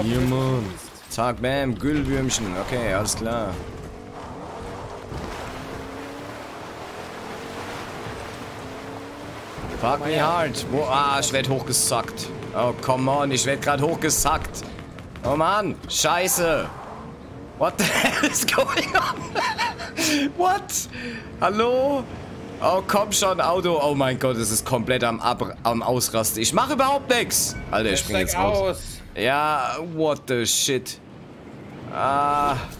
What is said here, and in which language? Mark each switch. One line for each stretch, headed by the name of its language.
German: hier, Mann. Zack, bam, Glühwürmchen. Okay, alles klar.
English: Fuck me hard.
German: Boah, ich werd hochgesackt.
English: Oh, come on,
German: ich werd grad hochgesackt. Oh man, scheiße.
English: What the hell is going on?
German: What? Hallo? Oh, komm schon, Auto. Oh mein Gott, es ist komplett am Ausrasten. Ich mach überhaupt nichts. Alter, ich spring jetzt raus. Ja,
English: what the shit. Ah.